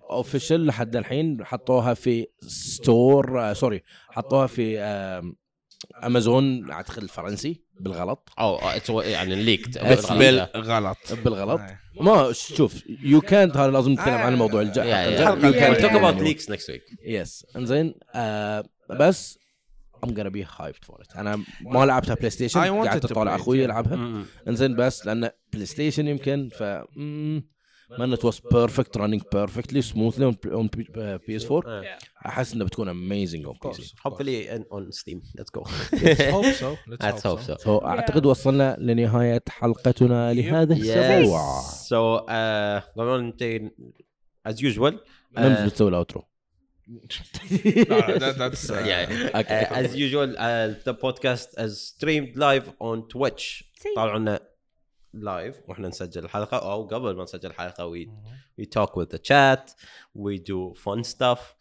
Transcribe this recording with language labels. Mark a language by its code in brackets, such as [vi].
[ar] Official لحد الحين حطوها في ستور سوري حطوها في امازون اعتقد الفرنسي بالغلط. [en] Oh, it's يعني leaked. [ar] بالغلط. ما شوف [en] you can't [ar] هذا لازم نتكلم عن الموضوع الجاي. [en] You can talk about leaks next week. Yes. And then بس I'm gonna be hyped for it. [ar] أنا ما لعبتها بلاي ستيشن. قعدت أطالع أخوي يلعبها. إنزين بس لأن بلاي ستيشن يمكن ف من [en] it was perfect running perfectly smoothly on PS4. [ar] أحس إنها بتكون amazing on PC. [en] Hopefully on Steam. Let's go. Let's hope so. [ar] So أعتقد وصلنا لنهاية حلقتنا لهذا [en] الأسبوع. So going on to as usual. [ar] نمزج تسوي الأوترو. [en] As usual, the podcast is streamed live on Twitch. طالعنا live [ar] وإحنا نسجل الحلقة أو قبل ما نسجل الحلقة [en] we talk with the chat, we do fun stuff.